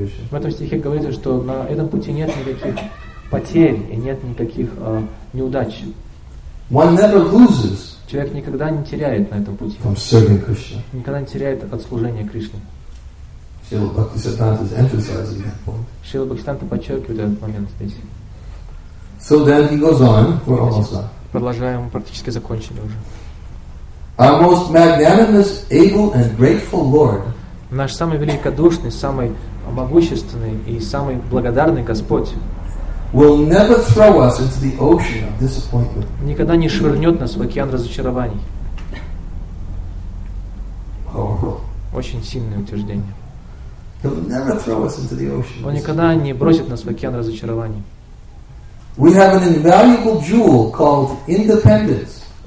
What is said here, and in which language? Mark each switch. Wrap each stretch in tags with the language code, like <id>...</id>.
<ru>В этом стихе говорится, что на этом пути нет никаких потерь и нет никаких неудач.</ru> <en>One never loses.</en> <ru>Человек никогда не теряет на этом пути.</ru> <en>From serving Krishna.</en> <ru>Никогда не теряет от служения Кришне.</ru> <en>Srila Bhaktisiddhanta is emphasizing that point.</en> <ru>Srila Bhaktisiddhanta подчеркивает этот момент здесь.</ru> <en>So then he goes on. We're almost done.</en> <ru>Продолжаем, мы практически закончили уже.</ru> <en>Our most magnanimous, able and grateful Lord.</en> <ru>Наш самый великодушный, самый могущественный и самый благодарный Господь.</ru> <en>Will never throw us into the ocean of disappointment.</en> <ru>Никогда не швырнет нас в океан разочарований. Очень сильное утверждение.</ru> <en>He'll never throw us into the ocean.</en> <ru>Он никогда не бросит нас в океан разочарований.</ru> <en>We have an invaluable jewel called independence.</en>